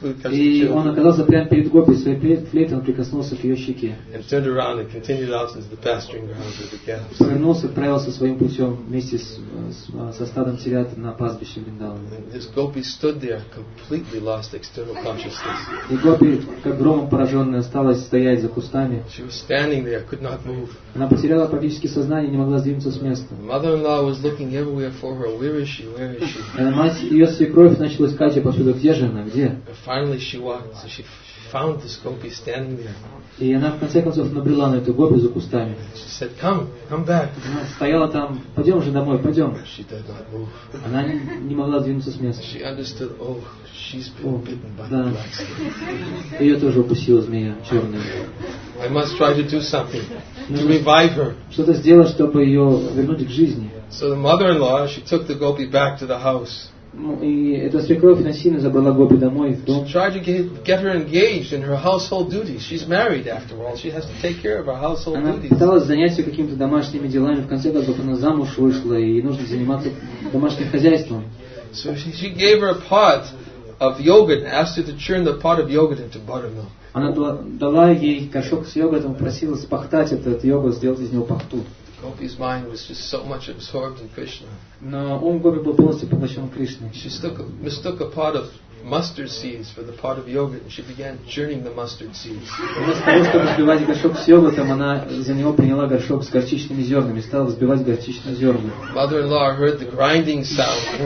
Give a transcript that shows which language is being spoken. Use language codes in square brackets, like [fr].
[ru] И он оказался прямо перед гопи, своей флейтой он прикоснулся к ее щеке. [en] And turned around and continued out into the pasturing grounds with the calves. [ru] Повернулся, отправился своим путем вместе со стадом телят на пастбище Вриндавана. [en] This gopi stood there, completely lost external consciousness. [ru] И гопи, как громом пораженная, осталась стоять за кустами. [en] She was standing there, could not move. [ru] Она потеряла практически сознание, не могла сдвинуться с места. [en] Mother-in-law was looking everywhere for her. Where is she? Where is she? [ru] Ее свекровь начала искать ее повсюду, где же она, где? [en] Finally she walked, so she found this gopi standing there. [ru] И она в конце концов набрела на эту гопи за кустами. [en] She said, come back. [ru] Она стояла там, пойдем уже домой, пойдем. [en] She did not move. [ru] Она не могла двинуться с места. [en] She understood, oh, she's been bitten by the black snake. [ru] Ее тоже укусила змея черная. [en] I must try to do something to revive her. [ru] Что-то сделать, чтобы ее вернуть к жизни. [en] So the mother-in-law, she took the gopi back to the house. [ru] Ну, и эта свекровь насильно забрала гопи домой, в дом. [en] She tried to get her engaged in her household duties. She's married, after all. She has to take care of her household [ru] она [en] duties. [ru] Она пыталась занять ее какими-то домашними делами. В конце концов, она замуж вышла, и ей нужно заниматься домашним хозяйством. [en] So she gave her a pot of yogurt and asked her to churn the pot of yogurt into buttermilk. [ru] Она дала ей горшок с йогуртом, просила спахтать этот йогурт, сделать из него пахту. [en] Gopi's mind was just so much absorbed in Krishna. [ru] Но ум гопи был полностью поглощен Кришной. [en] She mistook a pot of mustard seeds for the pot of yogurt, and she began churning the mustard seeds. [ru] Вместо того, чтобы взбивать горшок с йогуртом, она за него приняла горшок с горчичными зернами и стала взбивать горчичные зерна. [en] Mother-in-law heard the grinding sound.